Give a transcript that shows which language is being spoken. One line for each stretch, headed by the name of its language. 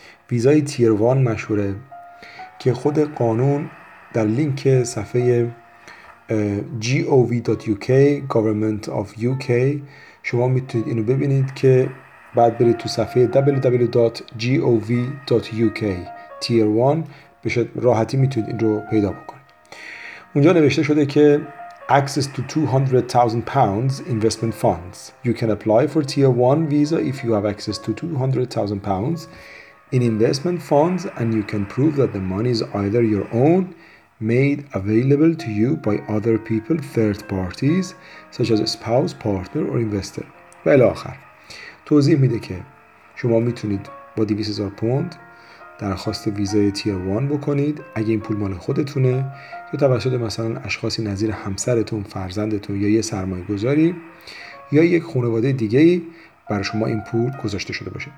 Persian: ویزای تیر 1 مشهوره که خود قانون در لینک صفحه gov.uk Government of UK شما میتونید اینو ببینید که بعد برید تو صفحه www.gov.uk tier 1 به راحتی میتونید این رو پیدا بکنید. اونجا نوشته شده که
English: access to 200,000 pounds investment funds. You can apply for tier 1 visa if you have access to 200,000 pounds in investment funds and you can prove that the money is either your own, made available to you by other people, third parties such as a spouse, partner or investor.
Persian: و الاخر توضیح میده که شما میتونید با 200,000 پوند درخواست ویزای تیر 1 بکنید، اگه این پول مال خودتونه یا توسط مثلا اشخاصی نظیر همسرتون، فرزندتون یا یه سرمایه گذاری یا یک خانواده دیگه برای شما این پول گذاشته شده باشه.